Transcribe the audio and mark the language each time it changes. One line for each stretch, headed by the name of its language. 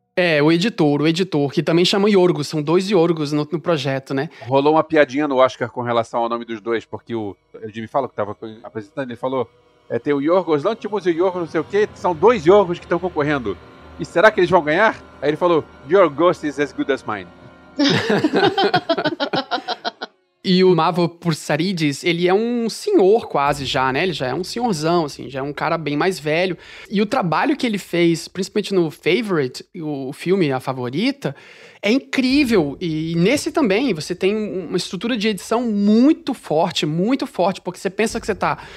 Portuguese: É, o editor, que também chama Yorgos. São dois Yorgos no projeto, né? Rolou uma piadinha no Oscar com relação ao nome dos dois, porque o Jimmy Fallon, que tava apresentando, ele falou, tem o Yorgos Lanthimos e o Yorgos não sei o quê, são dois Yorgos que estão concorrendo. E será que eles vão ganhar? Aí ele falou,
English: Yorgos is as good as mine.
Portuguese: E o Mavo Pursarides, ele é um senhor quase já, né? Ele já é um senhorzão, assim, já é um cara bem mais velho. E o trabalho que ele fez, principalmente no Favorite, o filme A Favorita, é incrível. E nesse também, você tem uma estrutura de edição muito forte, porque você pensa que você tá...